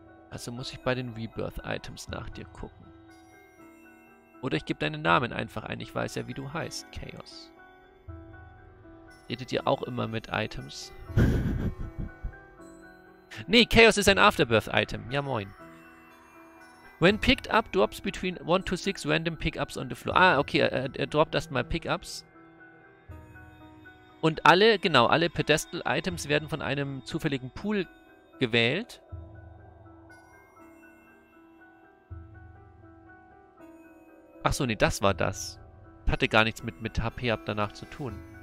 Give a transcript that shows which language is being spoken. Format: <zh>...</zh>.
<de>Also muss ich bei den Rebirth-Items nach dir gucken. Oder ich gebe deinen Namen einfach ein. Ich weiß ja, wie du heißt, Chaos. Redet ihr auch immer mit Items? Nee, Chaos ist ein Afterbirth-Item. Ja, moin.</de> <en>When picked up, drops between 1 to 6 random pickups on the floor.</en> <de>Ah, okay, er droppt erstmal Pickups. Und alle, genau, alle Pedestal-Items werden von einem zufälligen Pool gewählt. Ach so, nee, das war das. Hatte gar nichts mit HP ab danach zu tun.</de>